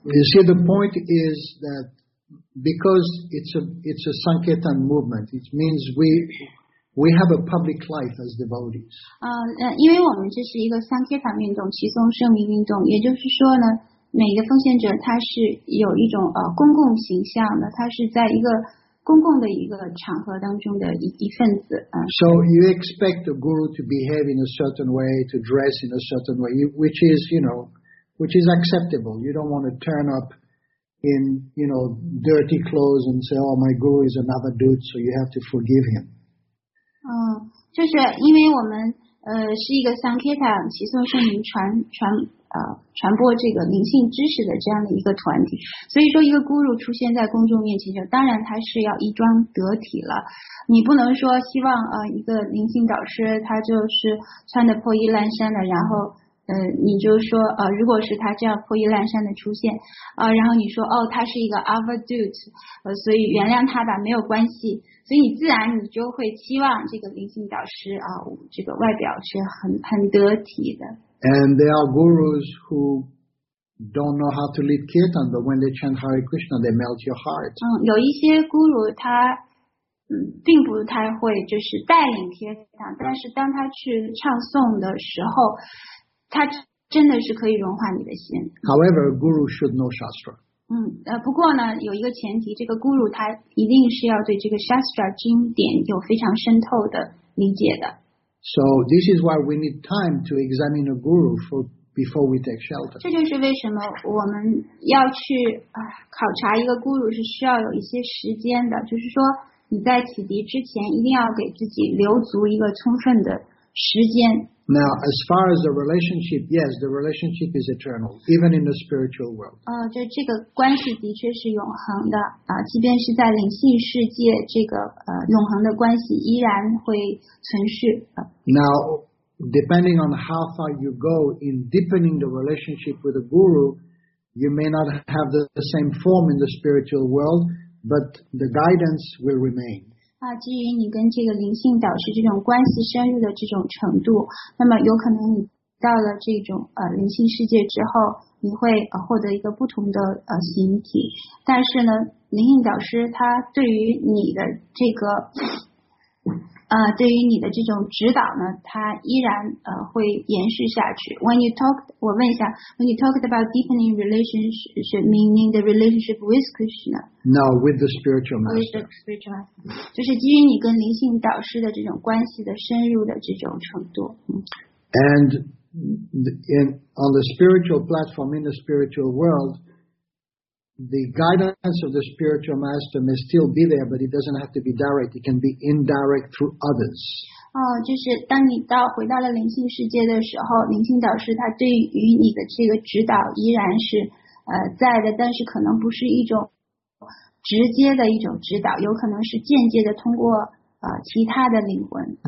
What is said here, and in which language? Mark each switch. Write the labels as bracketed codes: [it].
[en] You see, the point is that because it's a Sankirtan movement, it means we have a public life as devotees. [zh] 因为我们这是一个 Sankirtan 运动，其颂圣名运动，也就是说呢，每个奉献者他是有一种公共形象的，他是在一个公共的一个场合当中的一份子。 [en] So you expect a guru to behave in a certain way, to dress in a certain way, which is, you know, which is acceptable. You don't want to turn up in, you know, dirty clothes and say, oh, my guru is another dude, so you have to forgive him. [zh] 就是因为我们是一个 Sankirtan 其颂圣名传播这个灵性知识的这样的一个团体，所以说一个孤儒出现在公众面前，就当然他是要衣装得体了。你不能说希望一个灵性导师他就是穿的破衣烂衫的，然后你就说如果是他这样破衣烂衫的出现然后你说哦他是一个 [en] other dude [zh] 所以原谅他吧，没有关系。所以你自然你就会期望这个灵性导师这个外表是很得体的。 [en] And there are gurus who don't know how to lead kirtan, but when they chant Hare Krishna, they melt your heart. [zh] 有一些 guru 他并不太会就是带领 kirtan, 但是当他去唱诵的时候，他真的是可以融化你的心。 [en] However, a guru should know shastra. [zh] 不过呢，有一个前提，这个 guru 他一定是要对这个 shastra 经典有非常深透的理解的。 [en] So this is why we need time to examine a guru before we take shelter. [zh] 这就是为什么我们要去考察一个 guru 是需要有一些时间的，就是说你在启迪之前一定要给自己留足一个充分的时间。 [en] Now, as far as the relationship, yes, the relationship is eternal, even in the spiritual world. [zh] 这个关系的确是永恒的即便是在灵性世界，这个永恒的关系依然会存续。 [en] Now, depending on how far you go in deepening the relationship with a guru, you may not have the same form in the spiritual world, but the guidance will remain. [zh] 基于你跟这个灵性导师这种关系深入的这种程度，那么有可能你到了这种灵性世界之后，你会获得一个不同的形体。但是呢，灵性导师他对于你的这个对于你的这种指导呢，他依然会延续下去。 [en] When you talked about deepening relationship, meaning the relationship with Krishna. No, with the spiritual master. With the spiritual master. [zh] 就是基于你跟灵性导师的这种关系的深入的这种程度。 [en] And on the spiritual platform in the spiritual world, the guidance of the spiritual master may still be there, but it doesn't have to be direct. It can be indirect through others. [zh] 就是当你回到了灵性世界的时候，灵性导师他对于你的这个指导依然是在的，但是可能不是一种直接的一种指导，有可能是间接的通过其他的灵魂。